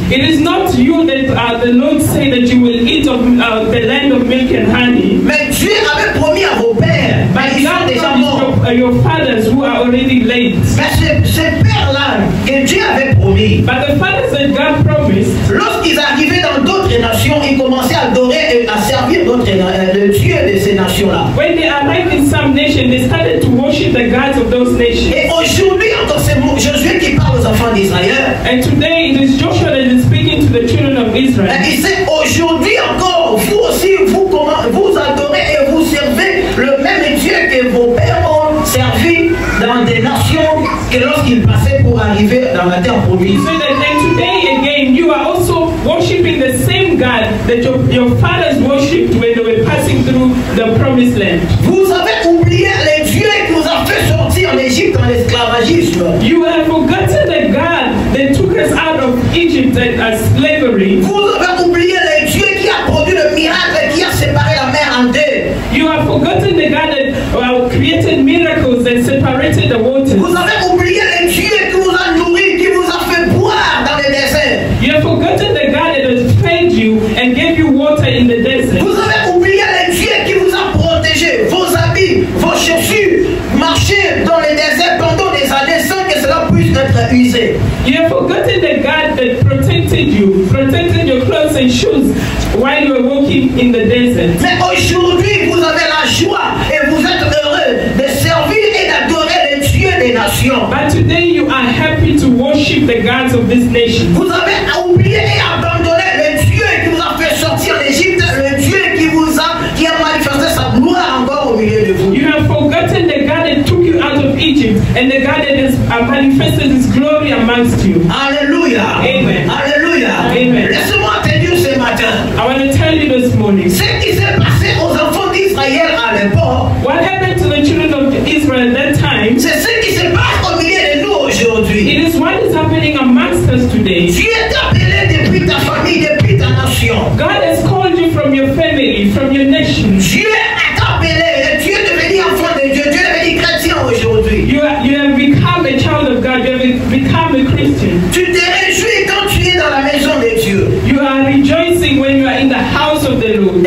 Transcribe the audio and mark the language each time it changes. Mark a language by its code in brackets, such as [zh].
[en] It is not you that the Lord said that you will eat of the land of milk and honey. [fr] Mais Dieu avait promis à vos pères. [en] But [fr] ils sont déjà morts. [en] Your fathers who are already late. [fr] Mais ces pères-là que Dieu avait promis. [en] But the fathers that God promised. [fr] Lorsqu'ils arrivaient dans d'autres nations, ils commençaient à adorer et à servir le Dieu de ces nations-là. [en] When they arrived in some nation, they started to worship the gods of those nations. [fr] Et aujourd'hui, encore c'est Josué qui parle aux enfants d'Israël. [en] And today it is Joshua that is speaking to the children of Israel. [fr] Et il dit aujourd'hui encore, vous aussi vous adorez et vous servez le même Dieu que vos pères ont servi dans des nations que lorsqu'ils passaient pour arriver dans la terre promise. [en] So that, and today again, you are also worshiping the same God that your fathers worshipped when they were passing through the promised land. [fr] Vous avez oublié les dieux qui vous ont fait sortir en Égypte en esclavagisme. [en] You have forgotten the God that took us out of Egypt as slavery. [fr] Vous avez oublié les dieux qui a produit le miracle qui a séparé la mer en deux. [en] You have forgotten the God that created miracles and separated the waters. [fr] Vous avez oublié les dieux qui vous a nourri, qui vous a fait boire dans le désert. [en] You have forgotten the God that has fed you and gave you water in the desert. [fr] Vous avez oublié les dieux qui vous a protégé, vos habits, vos chaussures, marcher dans le désert pendant des années sans que cela puisse être usé. [en] You have forgotten the God that protected your clothes and shoes while you were walking in the desert. [fr] Mais aujourd'hui, vous avez la joie et vous êtes heureux de servir et d'adorer les dieux des nations. [en] But today you are happy to worship the gods of this nation. [fr] Vous avez oublié et abandonné les dieux qui vous a fait sortir d'Égypte, le Dieu qui a manifesté sa gloire encore au milieu de vous. [en] You have forgotten the God that took you out of Egypt and the God that has manifested his glory amongst you. Alléluia. Amen. Alléluia. Amen. [fr] Laisse-moi te dire ce matin. [en] I want to tell you this morning. [fr] Ce qui s'est passé aux enfants d'Israël à l'époque. [en] What happened to the children of Israel at that time? [fr] C'est ce qui se passe au milieu de nous aujourd'hui. [en] It is what is happening amongst us today. [fr] Tu es appelé depuis ta famille, depuis ta nation. [en] God has called you from your family, from your nation. [fr] Dieu a appelé. Tu es devenu enfant de Dieu. Tu es devenu chrétien aujourd'hui. [en] You have become a child of God. You have become a Christian. [fr] Tu te réjouis quand tu es dans la maison de Dieu. [en] You are rejoicing when you are in the house of the Lord.